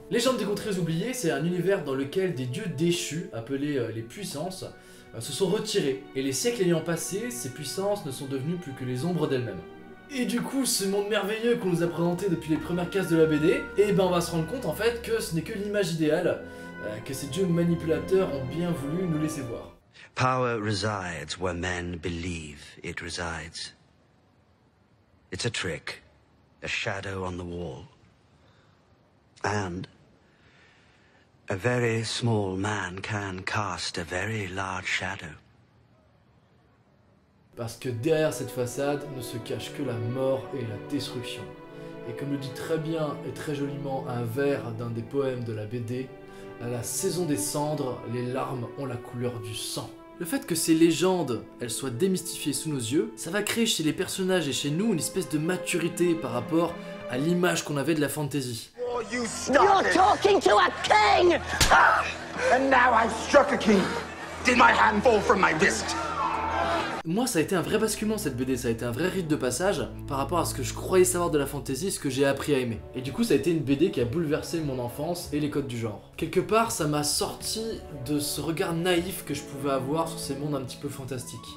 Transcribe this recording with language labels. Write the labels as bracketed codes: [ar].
[fr] Légende des Contrées Oubliées, c'est un univers dans lequel des dieux déchus, appelés les puissances, se sont retirés. Et les siècles ayant passé, ces puissances ne sont devenues plus que les ombres d'elles-mêmes. Et du coup, ce monde merveilleux qu'on nous a présenté depuis les premières cases de la BD, eh ben on va se rendre compte en fait que ce n'est que l'image idéale que ces dieux manipulateurs ont bien voulu nous laisser voir. [en] Power resides where men believe it resides. It's a trick, a shadow on the wall. And a very small man can cast a very large shadow. [fr] Parce que derrière cette façade ne se cache que la mort et la destruction. Et comme le dit très bien et très joliment un vers d'un des poèmes de la BD, à la saison des cendres, les larmes ont la couleur du sang. Le fait que ces légendes, elles soient démystifiées sous nos yeux, ça va créer chez les personnages et chez nous une espèce de maturité par rapport à l'image qu'on avait de la fantasy. [en] Oh, you stop. You're talking to a king! And now I've struck a king. Did my hand fall from my wrist? [fr] Moi, ça a été un vrai basculement cette BD, ça a été un vrai rite de passage par rapport à ce que je croyais savoir de la fantasy, ce que j'ai appris à aimer. Et du coup, ça a été une BD qui a bouleversé mon enfance et les codes du genre. Quelque part, ça m'a sorti de ce regard naïf que je pouvais avoir sur ces mondes un petit peu fantastiques.